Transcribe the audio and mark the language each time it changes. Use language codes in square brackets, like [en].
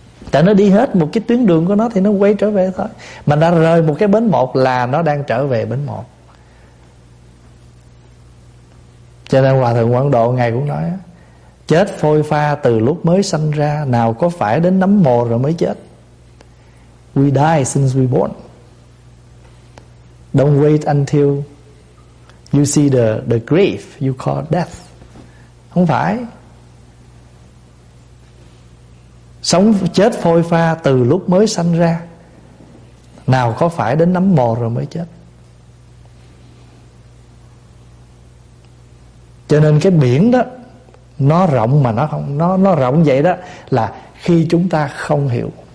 [vi] Tại nó đi hết một cái tuyến đường của nó thì nó quay trở về thôi. Mình đã rời một cái bến 1 là nó đang trở về bến 1. Cho nên Hòa Thượng Quảng Độ ngày cũng nói, chết phôi pha từ lúc mới sanh ra, nào có phải đến nấm mồ rồi mới chết. [en] We die since we born. Don't wait until you see the grief you call death. [vi] Không phải. Sống chết phôi pha từ lúc mới sanh ra, nào có phải đến nấm mồ rồi mới chết. Cho nên cái biển đó, Nó rộng mà nó không, nó rộng vậy đó là khi chúng ta không hiểu.